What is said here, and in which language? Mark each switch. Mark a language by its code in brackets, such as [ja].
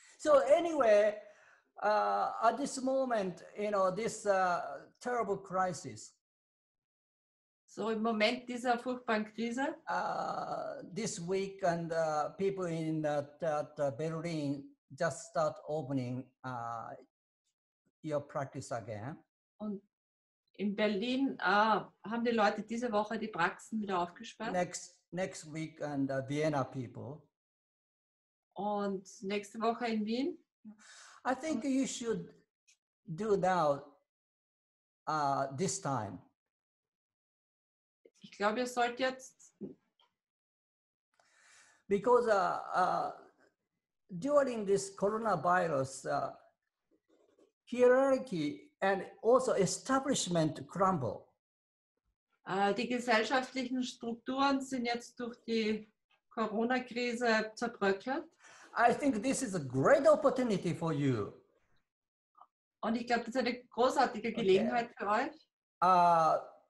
[en] So anyway, at this moment, you know, this terrible crisis. [de] So im Moment dieser furchtbaren Krise. [en] This week and people in that Berlin just start opening your practice again. [de] Und in Berlin haben die Leute diese Woche die Praxen wieder aufgesperrt. [en] Next week and Vienna people. [de] Und nächste Woche in Wien. [en] I think you should do now this time. [de] Ich glaube, ihr sollt jetzt. [en] Because during this coronavirus hierarchy and also establishment crumble. [de] Die gesellschaftlichen Strukturen sind jetzt durch die Corona-Krise zerbröckelt. [en] I think this is a great opportunity for you. [de] Und ich glaube, das ist eine großartige Gelegenheit okay. Für euch.